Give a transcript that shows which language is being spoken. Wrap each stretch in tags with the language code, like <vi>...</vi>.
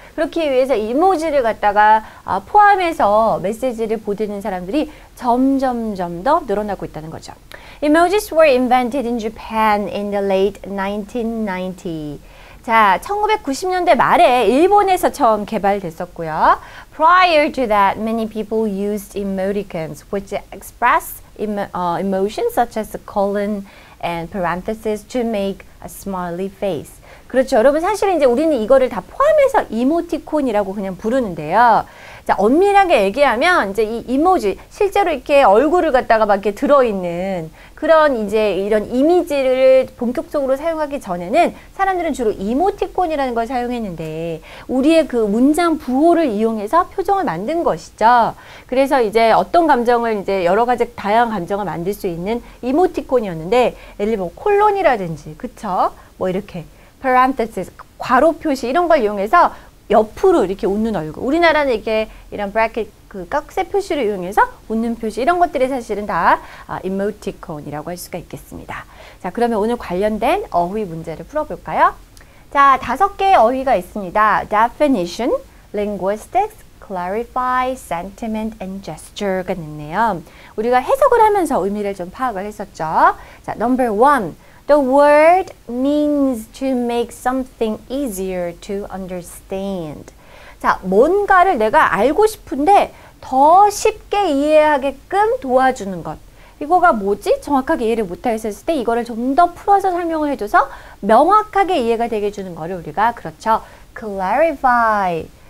<ko>그렇기 위해서 이모지를 갖다가 포함해서 메시지를 보내는 사람들이 점점 더 늘어나고 있다는 거죠.</ko> <en>Emojis were invented in Japan in the late 1990.</en> <ko>자, 1990년대 말에 일본에서 처음 개발됐었고요.</ko> <en>Prior to that, many people used emoticons, which express emotions such as a colon and parenthesis to make a smiley face.</en> <ko>그렇죠. 여러분, 사실 이제 우리는 이거를 다 포함해서 이모티콘이라고 그냥 부르는데요. 자, 엄밀하게 얘기하면 이제 이 이모지, 실제로 이렇게 얼굴을 갖다가 막 이렇게 들어있는 그런 이제 이런 이미지를 본격적으로 사용하기 전에는 사람들은 주로 이모티콘이라는 걸 사용했는데 우리의 그 문장 부호를 이용해서 표정을 만든 것이죠. 그래서 이제 어떤 감정을 이제 여러 가지 다양한 감정을 만들 수 있는 이모티콘이었는데 예를 들면 콜론이라든지, 그쵸? 뭐 이렇게.</ko> <en>parenthesis,</en> <ko>괄호 표시 이런 걸 이용해서 옆으로 이렇게 웃는 얼굴. 우리나라는 이렇게 이런 bracket 그 깍쇠 표시를 이용해서 웃는 표시 이런 것들이 사실은 다 emoticon이라고 할 수가 있겠습니다. 자, 그러면 오늘 관련된 어휘 문제를 풀어볼까요? 자, 다섯 개의 어휘가 있습니다.</ko> <en>Definition, linguistics, clarify, sentiment, and gesture</en> <ko>가 있네요. 우리가 해석을 하면서 의미를 좀 파악을 했었죠. 자,</ko> <en>number one. The word means to make something easier to understand.</en> <ko>자, 뭔가를 내가 알고 싶은데 더 쉽게 이해하게끔 도와주는 것. 이거가 뭐지? 정확하게 이해를 못하겠을 때 이거를 좀 더 풀어서 설명을 해줘서 명확하게 이해가 되게 해주는 거를 우리가 그렇죠.</ko> <en>Clarify.</en>